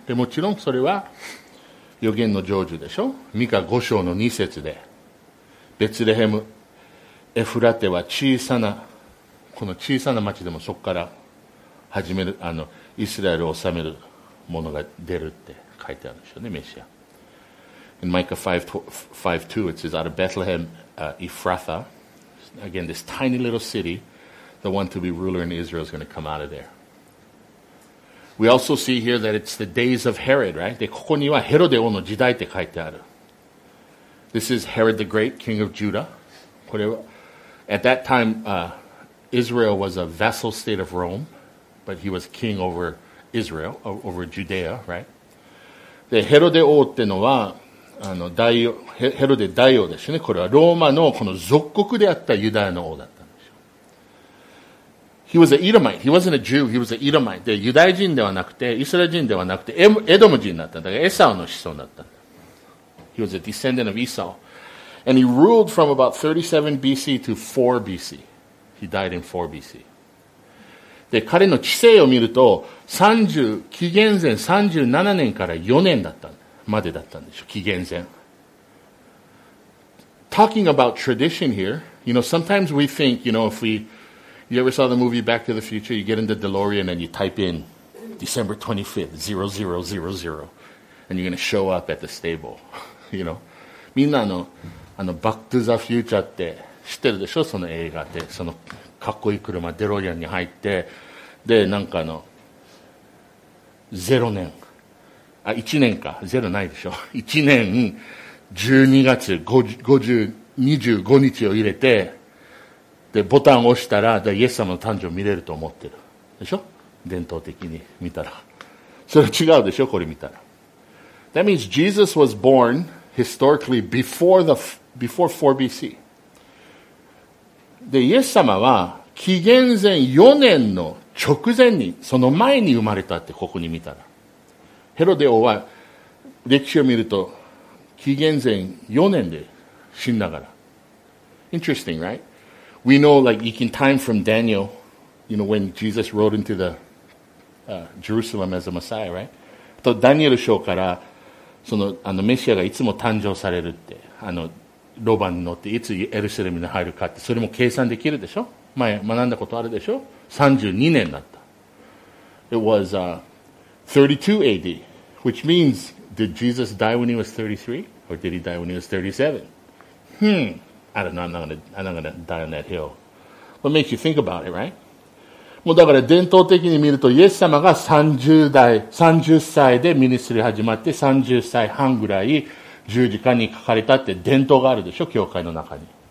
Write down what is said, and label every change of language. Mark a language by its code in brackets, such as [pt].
[ja] でもちろんそれは予言の成就でしょ。ミカ5章の2節で、ベツレヘム、エフラテは小さな、この小さな町でもそこから始める、イスラエルを治めるものが出るって書いてあるんでしょうね、メシア。 [en] In Micah 5:2, it says, out of Bethlehem, Ephrathah, again, this tiny little city, the one to be ruler in Israel is going to come out of there. We also see here that it's the days of Herod, right? [ja] で、ここにはヘロデ王の時代って書いてある。 [en] This is Herod the Great, king of Judah. これは、at that time, Israel was a vassal state of Rome, but he was king over Israel, over Judea, right? [ja] で、ヘロデ王ってのは、ヘロデ大王ですね。これはローマのこの属国であったユダヤの王だったんですよ。 [en] He was an Edomite. [ja] He wasn't a Jew. He was an Edomite. で、ユダヤ人ではなくて、イスラエル人ではなくて、エドム人だった。だからエサオの子孫だったんだ。 [en] He was a descendant of Esau. And he ruled from about 37 BC to 4 BC. He died in 4 BC. [ja] で、彼の治世を見ると、紀元前37年から4年だったんだ。までだったんでしょ、紀元前。 [en] Talking about tradition here, you know, sometimes we think, you know, if we, you ever saw the movie Back to the Future, you get in the DeLorean and you type in December 25th, 0000, and you're going to show up at the stable, you know. [ja] みんなあの Back to the Future って知ってるでしょ、その映画って。そのかっこいい車、デロリアンに入って、で、なんかあの、0年。あ、一年か。ゼロないでしょ。一年、12月25日を入れて、で、ボタンを押したら、イエス様の誕生を見れると思ってる。でしょ？伝統的に見たら。それは違うでしょ？これ見たら。 [en] That means Jesus was born historically before 4 BC. [ja] で、イエス様は、紀元前4年の直前に、その前に生まれたって、ここに見たら。ヘロデ王は歴史を見ると紀元前4年で死んだから。 [en] Interesting, right? We know, like, you can time from Daniel, you know, when Jesus rode into the, Jerusalem as a Messiah, right? [ja] と、ダニエル書から、あのメシアがいつも誕生されるって、あの、ロバに乗っていつエルサレムに入るかって、それも計算できるでしょ？前、学んだことあるでしょ？ 32 年だった。 [en] It was, 32 AD, which means, did Jesus die when he was 33? Or did he die when he was 37? I don't know, I'm not gonna die on that hill. What makes you think about it, right? [ja] もうだから伝統的に見ると、イエス様が30歳でミニストリー始まって30歳半ぐらい十字架にかかれたって伝統があるでしょ、教会の中に。